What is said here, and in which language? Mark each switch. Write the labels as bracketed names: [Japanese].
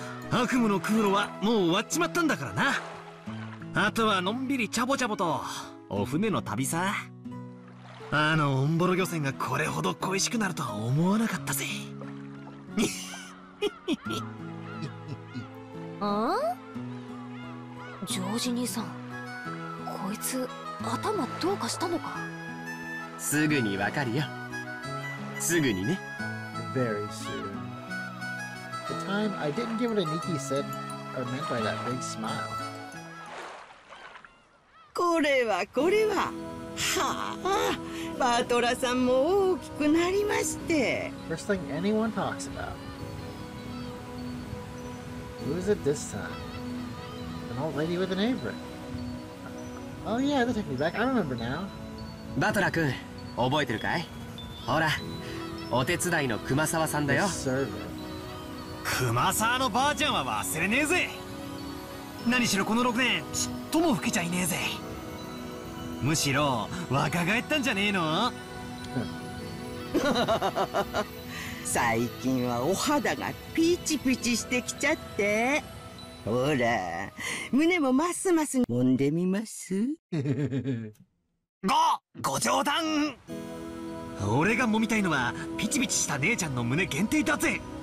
[Japanese] 悪夢のクーロはもう終わっちまったんだからな。あとはのんびりチャボチャボとお船の旅さ。あのオンボロ漁船がこれほど恋しくなるとは思わなかったぜ。ん？ジョージ兄さん、こいつ頭どうかしたのか。すぐにわかるよ。すぐにね。Very [English] soon. The time I didn't give it a Niki said or meant by that big smile. [Japanese] これはこれは. はあ、バトラさんも大きくなりまして. [English] First thing anyone talks about. Who is it this time? An old lady with an apron. Oh yeah, that takes me back. I remember now. [Japanese] バトラ君、覚えてるかい? ほら、お手伝いの熊沢さんだよ. [English] The servant. [Japanese] クマサーのばあちゃんは忘れねえぜ。何しろこの6年ちっとも老けちゃいねえぜ。むしろ若返ったんじゃねえの。最近はお肌がピチピチしてきちゃって、ほら胸もますます揉んでみます。ご冗談。俺が揉みたいのはピチピチした姉ちゃんの胸限定だぜ。